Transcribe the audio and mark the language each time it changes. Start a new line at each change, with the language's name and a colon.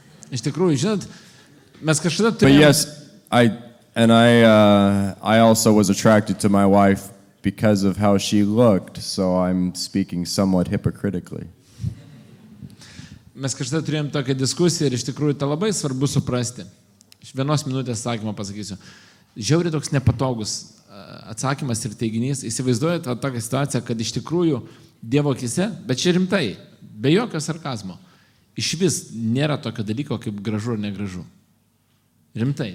Lithuanian: Iš tikrųjų, žinot, mes kažkada turėjom...
English: I also was attracted to my wife because of how she looked, so I'm speaking somewhat hypocritically.
Lithuanian: Mes kažkada turėjom tokią diskusiją ir iš tikrųjų tai labai svarbu suprasti. Iš vienos minutės sakymą pasakysiu. Žiauri toks nepatogus atsakymas ir teiginys. Įsivaizduojat tokią situaciją, kad iš tikrųjų Dievo akise, bet čia rimtai, be jokio sarkazmo, iš vis nėra tokio dalyko, kaip gražu ar negražu. Rimtai.